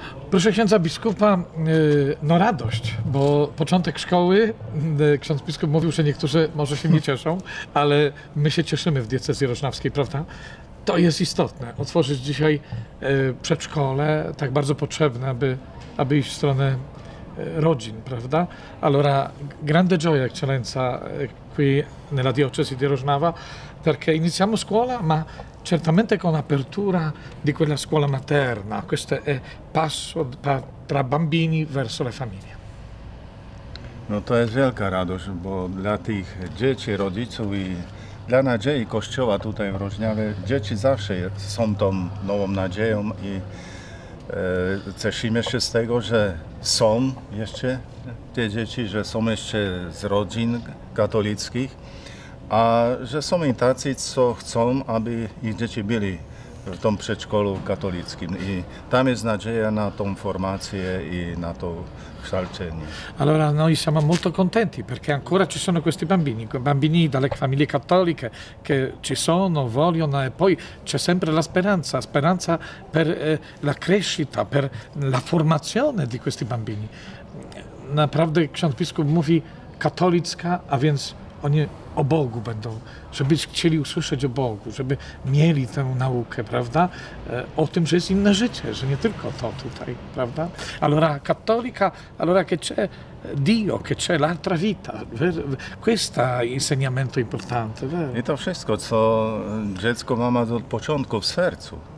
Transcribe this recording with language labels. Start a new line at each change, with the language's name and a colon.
Polish: Proszę księdza biskupa, no radość, bo początek szkoły, ksiądz biskup mówił, że niektórzy może się nie cieszą, ale my się cieszymy w diecezji rożnawskiej, prawda? To jest istotne, otworzyć dzisiaj przedszkole, tak bardzo potrzebne, aby iść w stronę rodzin, prawda?
Italian: Allora, grande gioia, eccellenza, qui nella diocesi di Rožnava, perché iniziamo scuola, ma certamente con apertura di quella scuola materna. Questo è passo tra bambini verso le famiglie.
Polish: No, to jest wielka radość, bo dla tych dzieci, rodziców i dla nadziei Kościoła tutaj w Rožnave, dzieci zawsze są tą nową nadzieją i cieszymy się z tego, że są jeszcze te dzieci, że są jeszcze z rodzin katolickich, a że są i tacy, co chcą, aby ich dzieci byli w tym przedszkolu katolickim. I tam jest nadzieja na tą formację i na to kształcenie.
Italian: Allora, noi siamo molto contenti, perché ancora ci sono questi bambini, dalle famiglie cattoliche, che ci sono, vogliono, e poi c'è sempre la speranza, per la crescita, per la formazione di questi bambini.
Polish: Naprawdę ksiądz biskup mówi katolicka, a więc oni o Bogu będą, żeby chcieli usłyszeć o Bogu, żeby mieli tę naukę, prawda? O tym, że jest inne życie, że nie tylko to tutaj, prawda?
Italian: Allora, cattolica, allora che c'è Dio, che c'è l'altra vita. Questo insegnamento importante.
Polish: I to wszystko, co dziecko ma od początku w sercu.